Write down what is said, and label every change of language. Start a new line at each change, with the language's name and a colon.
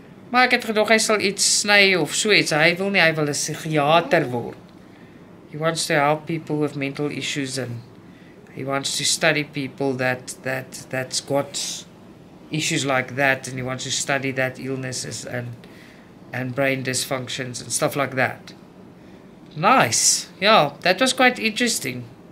Afrikaans: maar ek het gedoog, hy sal iets sny of so iets. Hy wil nie, hy wil 'n psychiater word.
English: He wants to help people with mental issues and he wants to study people that's got issues like that and he wants to study that illnesses and brain dysfunctions and stuff like that. Nice. Ja, that was quite interesting.